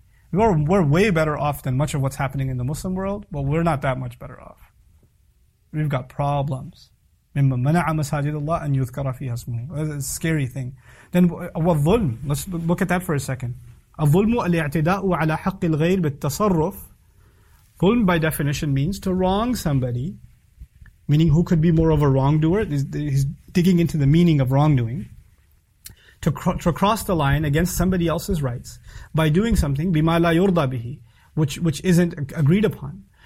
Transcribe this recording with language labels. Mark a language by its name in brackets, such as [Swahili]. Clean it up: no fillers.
[English] We're way better off than much of what's happening in the Muslim world, but we're not that much better off. We've got problems. [Arabic] مِمَّا مَنَعَ مَسَاجِدَ اللَّهِ أَنْ يُذْكَرَ فِيهَا اسْمُهُ. [English] It's a scary thing. Then, وَالظُّلْمُ. Let's look at that for a second. [Arabic] الظُّلْمُ الْاِعْتِدَاءُ عَلَى حَقِّ الْغَيْرِ بِالتَّصَرُّفِ. [English] ظُلْم, by definition, means to wrong somebody. Meaning, who could be more of a wrongdoer? He's digging into the meaning of wrongdoing. To cross the line against somebody else's rights by doing something, [Arabic] بِمَا لَا يُرْضَى بِهِ, [English] which isn't agreed upon.